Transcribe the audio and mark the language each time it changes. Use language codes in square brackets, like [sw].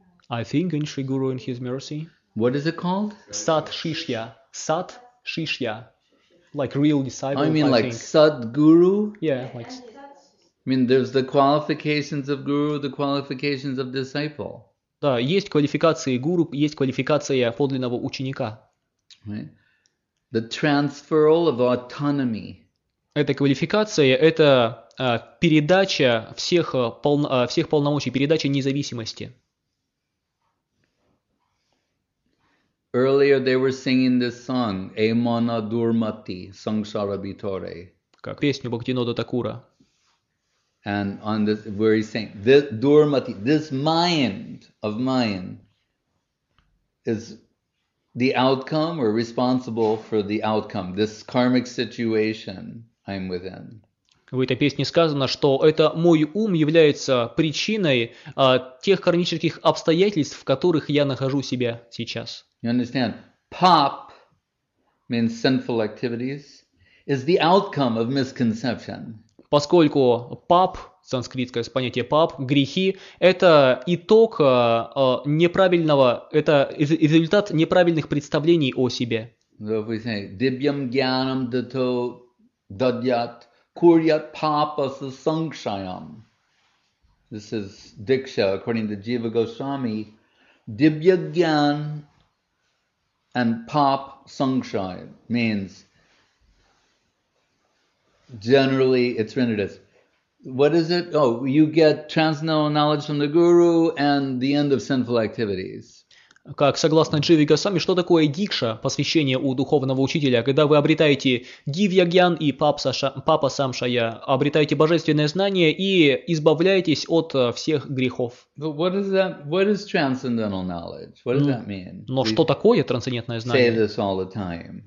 [en] I think in Sri Guru in His Mercy. What is it called? Sat Shishya. Sat Shishya. Like real disciple. I mean I like think. Sat Guru? Yeah. Like. I mean there's the qualifications of Guru, the qualifications of disciple. [ru] Да, есть квалификации Гуру, есть квалификация подлинного ученика. [en] The transfer of autonomy. [ru] Эта квалификация – это передача всех полномочий, передача независимости. [en] Earlier they were singing this song, Emana Durmati, Sangsara Bitore. [ru] Как песню Бхактинода Такура. [en] And on this, where he's saying, this Durmati, this mind of mine is the outcome or responsible for the outcome, this karmic situation I'm within. [ru] В этой песне сказано, что это мой ум является причиной тех кармических обстоятельств, в которых я нахожу себя сейчас. [en] You understand? Pop means sinful activities, is the outcome of misconception. [ru] Поскольку pop, санскритское понятие pop, грехи, это итог неправильного, это результат неправильных представлений о себе. [en] So if we say, [sa] Dibyam Gyanam Dato Dadyat Kuryat Papasa Sangshayam. [en] This is Diksha, according to Jiva Goswami. Dibya Gyan and Pap Sangshay means generally it's rendered as what is it? Oh, you get transcendental knowledge from the Guru and the end of sinful activities. [ru] Как согласно Дживи Госвами, что такое дикша, посвящение у духовного учителя? Когда вы обретаете дивья гьян и папа самшая, обретаете божественное знание и избавляетесь от всех грехов. Но что такое трансцендентное знание?